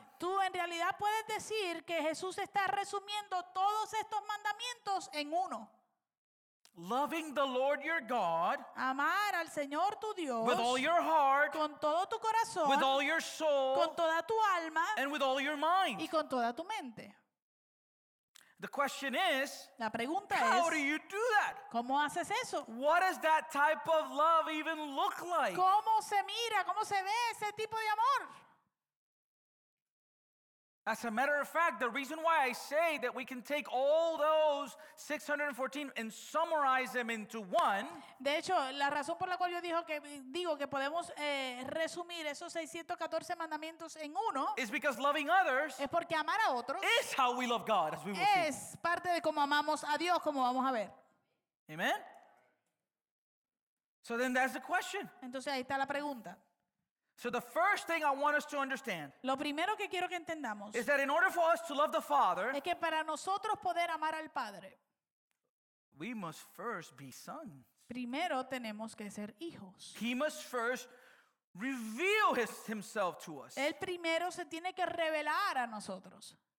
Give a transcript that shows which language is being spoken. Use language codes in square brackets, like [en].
[es] Tú en realidad puedes decir que Jesús está resumiendo todos estos mandamientos en uno. [en] Loving the Lord your God, [es] amar al Señor tu Dios, [en] with all your heart, [es] con todo tu corazón, [en] with all your soul, [es] con toda tu alma, [en] and with all your mind, [es] y con toda tu mente. [en] The question is, [es] la pregunta [en] how [es] es, [en] do you do that? [es] ¿Cómo haces eso? [en] What does that type of love even look like? [es] ¿Cómo se mira? ¿Cómo se ve ese tipo de amor? [en] As a matter of fact, the reason why I say that we can take all those 614 and summarize them into one. [es] De hecho, la razón por la cual yo digo que podemos resumir esos 614 mandamientos en uno. [en] Is because loving others. [es] Es porque amar a otros. [en] Is how we love God, as we will see. [es] Es parte de cómo amamos a Dios, como vamos a ver. [en] Amen. So then, that's the question. [es] Entonces ahí está la pregunta. [en] So the first thing I want us to understand, [es] lo primero que quiero que entendamos, [en] is that in order for us to love the Father, [es] es que para nosotros poder amar al Padre, [en] we must first be sons. [es] Primero tenemos que ser hijos. [en] He must first reveal himself to us. [es] Él primero se tiene que revelar a nosotros.